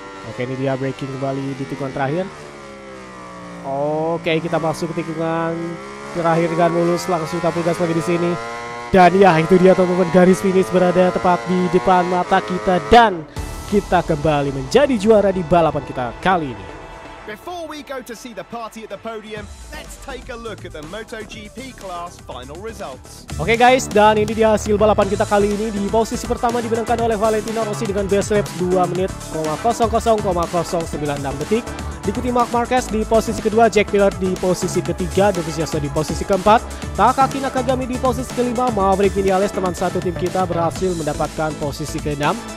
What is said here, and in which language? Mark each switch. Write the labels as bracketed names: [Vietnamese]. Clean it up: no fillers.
[Indonesian] Oke, ini dia breaking kembali di tikungan terakhir. Oke, kita masuk ke tikungan terakhir dengan mulus, langsung kita pulgas lagi di sini. Dan ya, itu dia teman-teman, garis finish berada tepat di depan mata kita dan kita kembali menjadi juara di balapan kita kali ini. [English] Before we go to see the party at the podium, let's take a look at the MotoGP class final results. [Indonesian] Oke guys, dan ini dia hasil balapan kita kali ini. Di posisi pertama dimenangkan oleh Valentino Rossi dengan best lap 2 menit 0,0096 detik. Diikuti Marc Marquez di posisi kedua, Jack Miller di posisi ketiga, Dovizioso di posisi keempat, Takaki Nakagami di posisi kelima, Maverick Vinales teman satu tim kita berhasil mendapatkan posisi keenam.